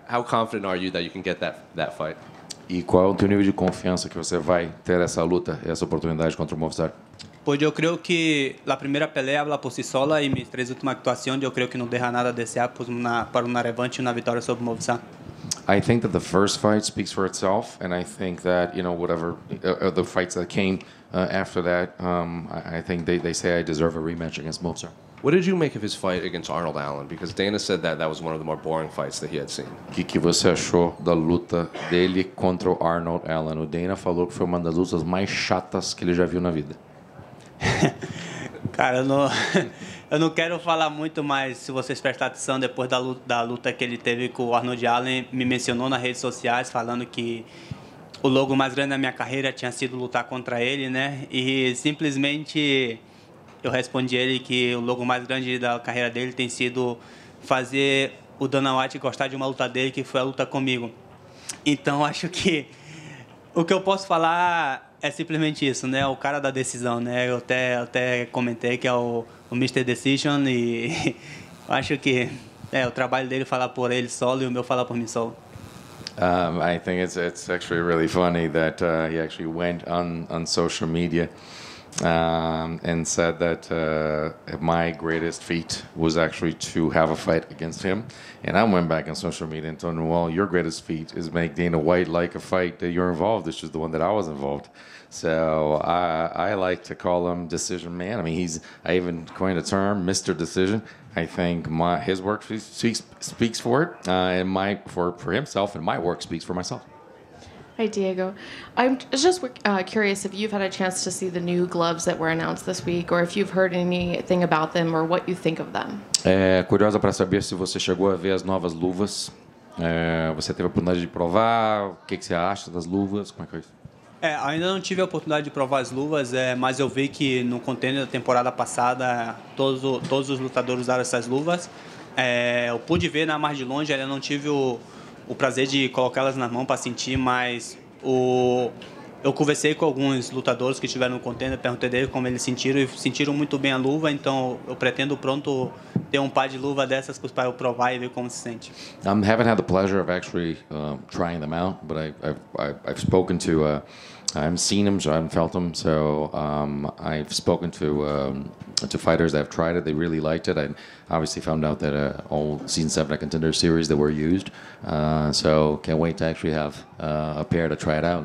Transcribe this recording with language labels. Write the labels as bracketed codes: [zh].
[en] How confident are you that you can get that fight? [pt] E qual é o teu nível de confiança que você vai ter essa luta, essa oportunidade contra o Movesize? [es] Pues yo creo que la primera pelea habla por sí sola y mis tres últimas actuaciones, yo creo que no deja nada desear pues para una revancha y una victoria sobre Movesize. [en] I think that the first fight speaks for itself, and I think that, you know, whatever the fights that came after that, I think they say I deserve a rematch against Mozart. What did you make of his fight against Arnold Allen? Because Dana said that was one of the more boring fights that he had seen. [pt] Que você achou da luta dele contra Arnold Allen? O Dana falou que foi uma das lutas mais chatas que ele já viu na vida. Cara, eu não quero falar muito, mas se vocês prestarem atenção, depois da luta que ele teve com o Arnold Allen, me mencionou nas redes sociais falando que o logo mais grande da minha carreira tinha sido lutar contra ele, né? E simplesmente eu respondi ele que o logo mais grande da carreira dele tem sido fazer o Dana White gostar de uma luta dele, que foi a luta comigo. Então, acho que o que eu posso falar é simplesmente isso, né? O cara da decisão, né? Eu até comentei que é o Mr. Decision, e acho que o trabalho dele falar por ele solo e o meu falar por mim solo. [en] I think it's actually really funny that he actually went on social media And said that my greatest feat was actually to have a fight against him. And I went back on social media and told him, well, your greatest feat is make Dana White like a fight that you're involved, which is the one that I was involved. So I like to call him Decision Man. I mean, I even coined a term, Mr. Decision. I think his work speaks for it, and for himself, and my work speaks for myself. Hi, Diego. I'm just curious if you've had a chance to see the new gloves that were announced this week, or if you've heard anything about them, or what you think of them. [pt] É curiosa para saber se você chegou a ver as novas luvas. Você teve a oportunidade de provar? O que você acha das luvas? Como é que é isso? Ainda não tive a oportunidade de provar as luvas, mas eu vi que no contender da temporada passada todos os lutadores usaram essas luvas. Eu pude ver na mais de longe, ainda não tive o prazer de colocá-las na mão para sentir, mas eu conversei com alguns lutadores que estiveram no contender, perguntei deles como eles sentiram, e sentiram muito bem a luva, então eu pretendo pronto ter um par de luva dessas para eu provar e ver como se sente. [en] I haven't had the pleasure of actually trying them out, but I've spoken to, I've seen them, I've felt them, so I've spoken to fighters that have tried it, they really liked it. I obviously found out that all Season 7 Contender Series that were used, so can't wait to actually have a pair to try it out.